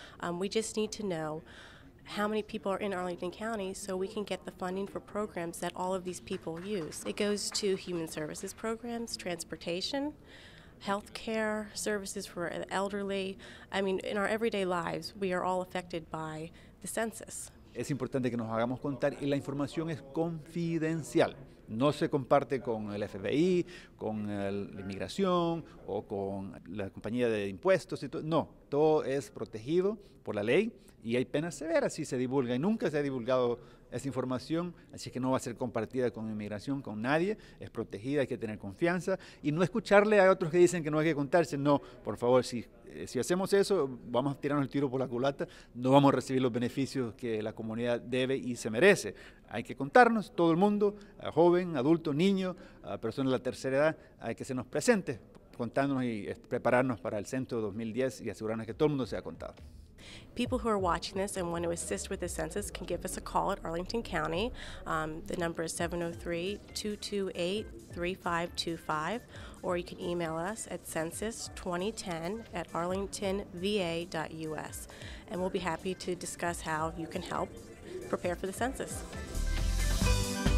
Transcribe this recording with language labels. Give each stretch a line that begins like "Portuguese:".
English: We just need to know how many people are in Arlington County so we can get the funding for programs that all of these people use. It goes to human services programs, transportation, health care services for the elderly. I mean, in our everyday lives, we are all affected by the census.
Spanish: Es importante que nos hagamos contar y la información es confidencial. No se comparte con el FBI, con la inmigración o con la compañía de impuestos. Y no, todo es protegido por la ley y hay penas severas si se divulga. Y nunca se ha divulgado esa información, así que no va a ser compartida con inmigración, con nadie. Es protegida, hay que tener confianza. Y no escucharle a otros que dicen que no hay que contarse. No, por favor, si hacemos eso, vamos a tirarnos el tiro por la culata. No vamos a recibir los beneficios que la comunidad debe y se merece. Hay que contarnos, todo el mundo, joven, adulto, niño, persona de la tercera edad, hay que sernos presentes, contándonos y prepararnos para el censo 2010 y asegurarnos que todo el mundo sea contado.
English: People who are watching this and want to assist with the census can give us a call at Arlington County. The number is 703-228-3525, or you can email us at census2010@arlingtonva.us, and we'll be happy to discuss how you can help prepare for the census.